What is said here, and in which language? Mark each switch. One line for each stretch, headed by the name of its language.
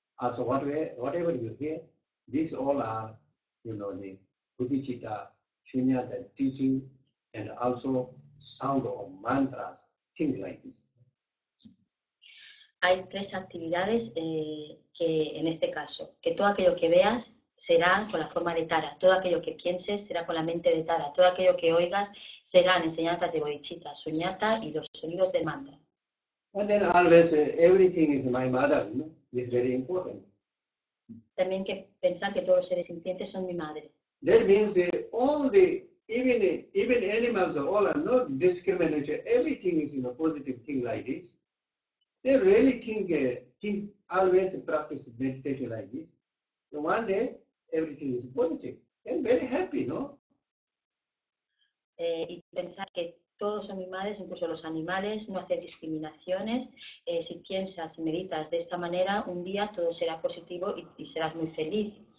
English: Also, whatever you hear, these all are, you know, the bodhicitta, shunyata teaching, and also sound of mantras, things like this.
Spanish: Hay 3 actividades que, en este caso, que todo aquello que veas será con la forma de Tara, todo aquello que pienses será con la mente de Tara, todo aquello que oigas serán enseñanzas de bodhicitta, shunyata y los sonidos del mantra.
English: And then always everything is my mother, no? It's very important.
Spanish: También que pensar que todos los seres sintientes son mi madre.
English: That means all the, even animals are all are not discriminatory. Everything is in a positive thing like this. They really think always practice meditation like this. So one day, everything is positive. And very happy, no?
Spanish: Y pensar que todos son mi madre, incluso los animales, no hacer discriminaciones. Si piensas y meditas de esta manera, un día todo será positivo y serás muy feliz.